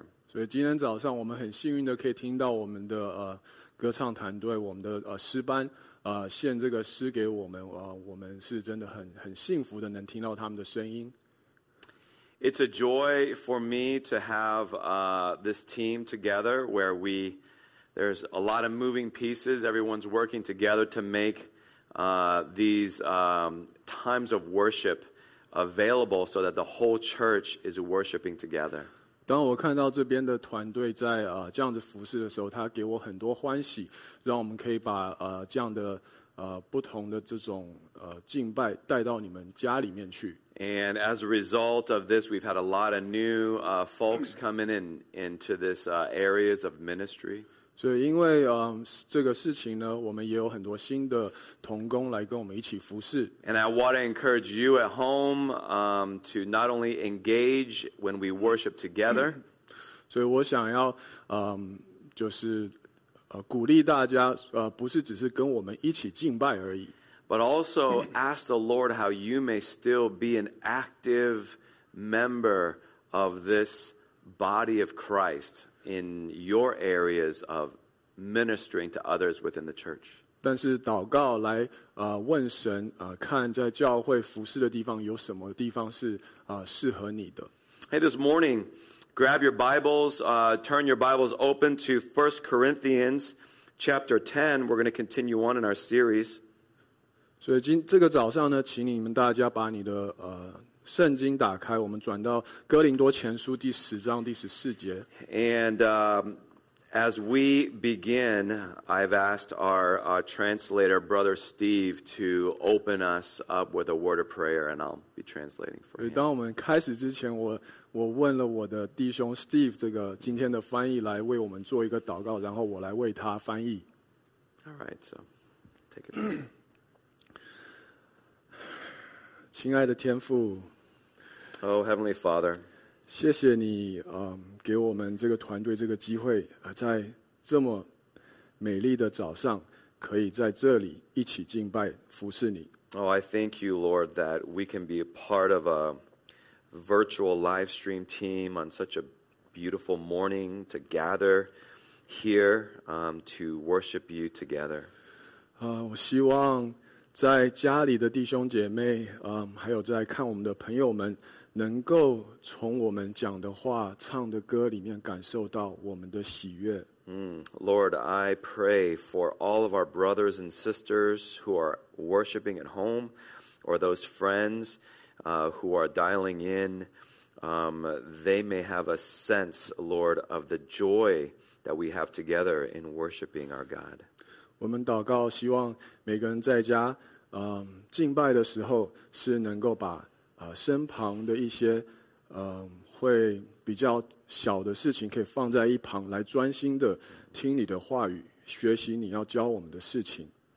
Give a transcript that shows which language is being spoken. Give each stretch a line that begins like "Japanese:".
Chinese: 所以今天早上我们很幸运的可以听到我们的歌唱团队，我们的诗班献这个诗给我们，我们是真的很幸福的能听到他们的声音。
English: It's a joy for me to have this team together where we, there's a lot of moving pieces, everyone's working together to make these times of worship available so that the whole church is worshiping together.
Chinese: 当我看到这边的团队在这样子服事的时候，他给我很多欢喜，让我们可以把这样的不同的这种敬拜带到你们家里面去。
English: And as a result of this, we've had a lot of new folks coming in into this areas of ministry.
Chinese: 所以因为这个事情呢，我们也有很多新的同工来跟我们一起服事。
English: And I want to encourage you at home to not only engage when we worship together.
Chinese: 所以我想要就是鼓励大家不是只是跟我们一起敬拜而已。
English: But also ask the Lord how you may still be an active member of this body of Christ in your areas of ministering to others within the church.
Chinese: 但是祷告来问神看在教会服事的地方有什么地方是适合你的。
English: Hey, this morning, grab your Bibles, turn your Bibles open to 1 Corinthians chapter 10. We're going to continue on in our series.
Chinese: 所以这个早上呢，请你们大家把你的圣经打开，我们转到哥林多前书第十章第十四节。
English: And as we begin, I've asked our translator, Brother Steve, to open us up with a word of prayer, and I'll be translating for him.
Chinese: 当我们开始之前，我问了我的弟兄 Steve 这个今天的翻译来为我们做一个祷告，然后我来为他翻译。
English: All right, so take it away.
Chinese: 亲爱的天父
English: Oh, Heavenly Father,
Chinese: 谢谢你给我们这个团队这个机会在这么美丽的早上可以在这里一起敬拜服侍你。
English: Oh, I thank you, Lord, that we can be a part of a virtual live stream team on such a beautiful morning to gather here to worship you together.
Chinese: 我希望在家里的弟兄姐妹还有在看我们的朋友们能够从我们讲的话唱的歌里面感受到我们的喜悦。
English: Lord, I pray for all of our brothers and sisters who are worshiping at home or those friends who are dialing in. They may have a sense, Lord, of the joy that we have together in worshiping our God.
Chinese: 我们祷告希望每个人在家敬拜的时候是能够把身旁的一些会比较小的事情可以放在一旁来专心的听你的话语学习你要教我们的事情。